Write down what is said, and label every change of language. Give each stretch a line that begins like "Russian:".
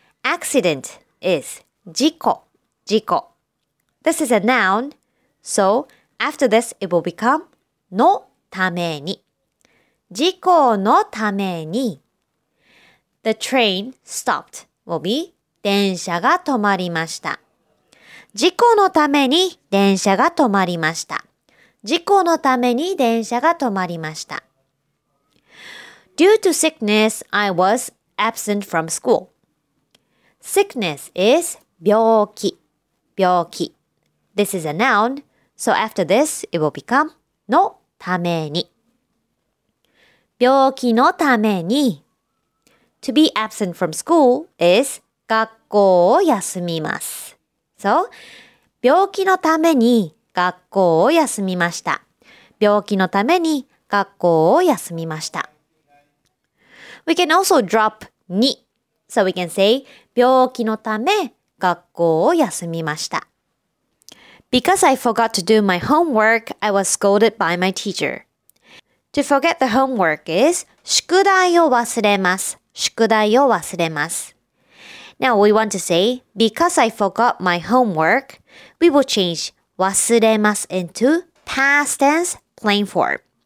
English: Accident is 事故. This is a noun, so after this it will become
Japanese: のために. 事故のために.
English: The train stopped will be
Japanese: 電車が止まりました. 事故のために電車が止まりました.事故のために電車が止まりました.
English: Due to sickness, I was absent from school. Sickness is 病気. This is a noun, so after this, it will become
Japanese: のために. 病気のために.
English: To be absent from school is
Japanese: 学校を休みます.
English: So,
Japanese: 病気のために学校を休みました. 病気のために学校を休みました.
English: We can also drop に.So we can say,
Japanese: 病気のため学校を休みました。
English: Because I forgot to do my homework, I was scolded by my teacher. To forget the homework is
Japanese: 宿題を忘れます。宿題を忘れます。
English: Now we want to say, because I forgot my homework, we will change 忘れます into past tense plain form.